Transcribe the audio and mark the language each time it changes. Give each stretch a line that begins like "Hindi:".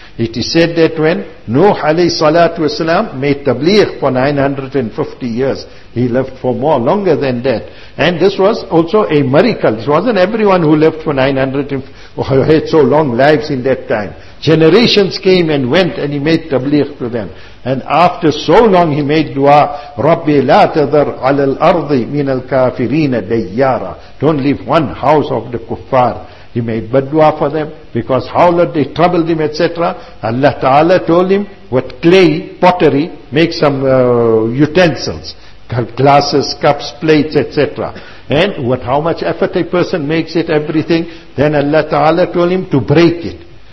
English: It is said that when Nuh alayhi salatu wasalam made tabligh for 950 years, he lived for more longer than that. And this was also a miracle. It wasn't everyone who lived for 900 had so long lives in that time. Generations came and went and he made tabligh to them. And after so long he made dua,
Arabic: رَبِّ لَا تَذَرْ عَلَى الْأَرْضِ مِنَ الْكَافِرِينَ دَيَّارًا.
English: Don't leave one house of the kuffar. He made bad dua for them because how Lord they troubled him, etc. Allah Ta'ala told him, with clay, pottery, make some utensils, glasses, cups, plates, etc. And with how much effort a person makes it, everything, then Allah Ta'ala told him to break it.